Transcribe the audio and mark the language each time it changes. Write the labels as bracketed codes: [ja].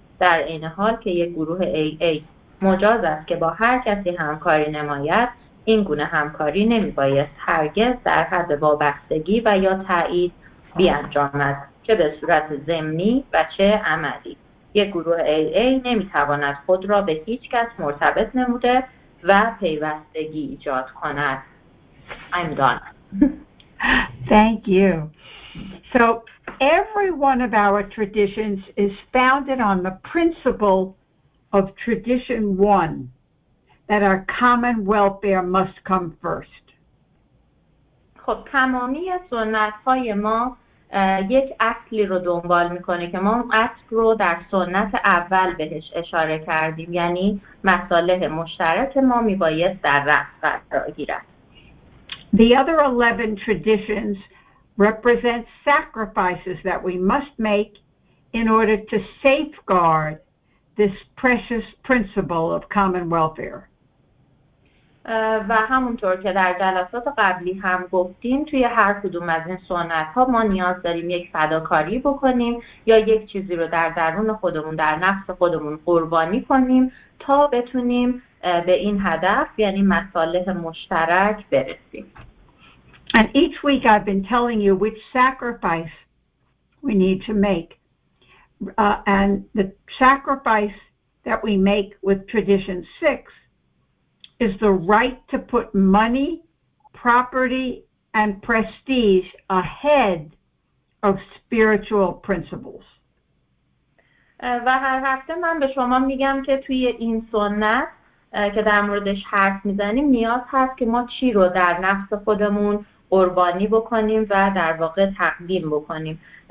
[fa] در این حال که یک گروه AA مجاز است که با هر کسی همکاری نماید، این گونه همکاری نمی بایست هرگز در حد وابستگی و یا تایید بیانجامد، چه به صورت ضمنی و چه عملی. یک گروه AA نمی تواند خود را به هیچ کس مرتبط نموده و پیوستگی ایجاد کند. [en] I'm done. Thank you. So every one of our traditions is founded on the principle of tradition one, that our common welfare must come first. [fa] خب تمامی سنت‌های ما یک اصلی رو دنبال می‌کنه که ما اصل رو در سنت اول بهش اشاره کردیم، یعنی مصالح مشترک ما می‌باید در رأس قرار گیرد. [en] The other 11 traditions represent sacrifices that we must make in order to safeguard this precious principle of common welfare. [fa] و همونطور که در جلسات قبلی هم گفتیم، توی هر کدوم از این سنت‌ها ما نیاز داریم یک فداکاری بکنیم یا یک چیزی رو در درون خودمون، در نفس خودمون قربانی کنیم تا بتونیم به این هدف، یعنی مصالح مشترک برسیم. [en] And each week I've been telling you which sacrifice we need to make. And the sacrifice that we make with tradition 6 is the right to put money, property, and prestige ahead of spiritual principles. [fa] و هر هفته من به شما میگم که توی این سنت که در موردش حرف میزنیم نیاز هست که ما چی رو در نفس خودمون قربانی بکنیم و در واقع تقدیم بکنیم.